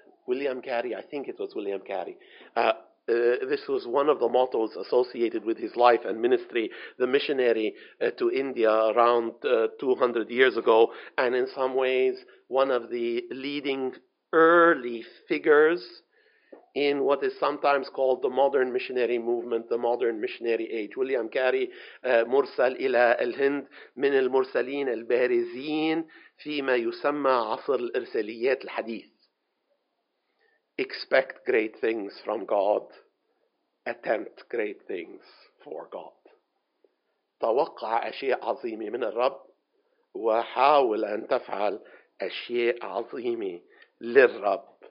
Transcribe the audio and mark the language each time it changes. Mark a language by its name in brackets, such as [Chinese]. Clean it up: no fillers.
[English] I think it was William Carey. This was one of the mottos associated with his life and ministry, the missionary to India around 200 years ago, and in some ways one of the leading early figures in what is sometimes called the modern missionary movement, the modern missionary age. [Arabic] William Carey, مرسل إلى الهند من المرسلين البارزين فيما يسمى عصر الإرساليات الحديث. [English] Expect great things from God. Attempt great things for God. [Arabic] توقع أشياء عظيمة من الرب وحاول أن تفعل أشياء عظيمة للرب.